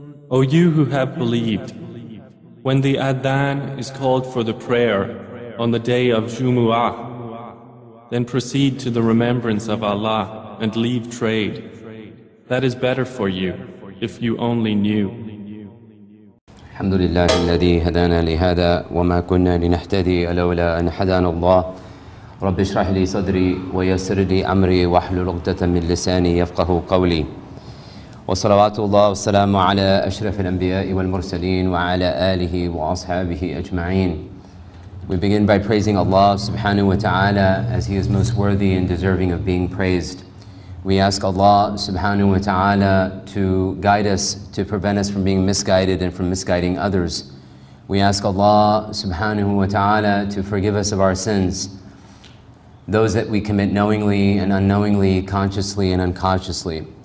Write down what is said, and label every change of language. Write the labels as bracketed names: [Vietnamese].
[English] O you who have believed, when the adhan is called for the prayer on the day of Jumu'ah, then proceed to the remembrance of Allah and leave trade. That is better for you, if you only knew. [Arabic] الحمد لله الذي هدانا لهذا وما كنا لنهتدي لولا أن هدانا الله رب اشرح لي صدري ويسر لي أمري واحلل عقدة من لساني يفقه قولي وصلوات الله والسلام على أشرف الأنبياء والمرسلين وعلى آله وأصحابه أجمعين. [English] We begin by praising Allah subhanahu wa ta'ala as He is most worthy and deserving of being praised. We ask Allah subhanahu wa ta'ala to guide us, to prevent us from being misguided and from misguiding others. We ask Allah subhanahu wa ta'ala to forgive us of our sins, those that we commit knowingly and unknowingly, consciously and unconsciously.